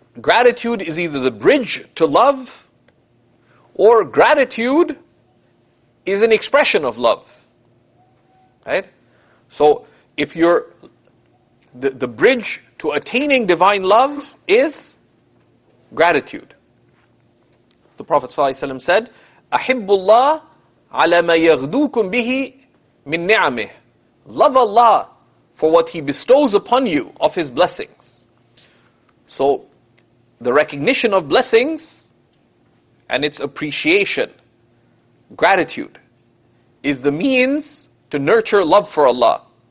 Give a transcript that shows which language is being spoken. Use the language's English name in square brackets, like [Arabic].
[English] gratitude is either the bridge to love, or gratitude is an expression of love. Right? So if you're the bridge to attaining divine love is gratitude. The Prophet ﷺ said, [Arabic] أَحِبُّ اللَّهِ عَلَى مَا يَغْدُوكُمْ بِهِ مِنْ نِعْمِهِ. [English] Love Allah for what He bestows upon you of His blessings. So, the recognition of blessings and its appreciation, gratitude, is the means to nurture love for Allah.